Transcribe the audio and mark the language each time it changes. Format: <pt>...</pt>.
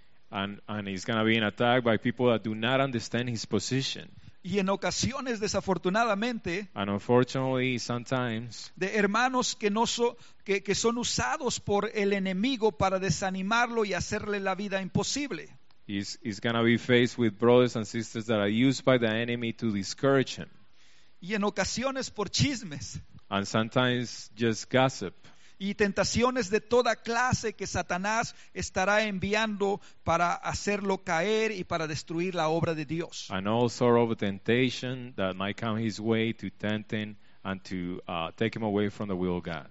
<en>And he's going to be in attack by people that do not understand his position.</en> <es>Y en ocasiones, desafortunadamente,</es> <en>and unfortunately, sometimes,</en> <es>de hermanos que son usados por el enemigo para desanimarlo y hacerle la vida imposible.</es> <en>He's going to be faced with brothers and sisters that are used by the enemy to discourage him.</en> <es>Y en ocasiones, por chismes.</es> <en>And sometimes, just gossip.</en> <es>Y tentaciones de toda clase que Satanás estará enviando para hacerlo caer y para destruir la obra de Dios.</es> <en>And all sort of temptation that might come his way to tempt him and to take him away from the will of God.</en>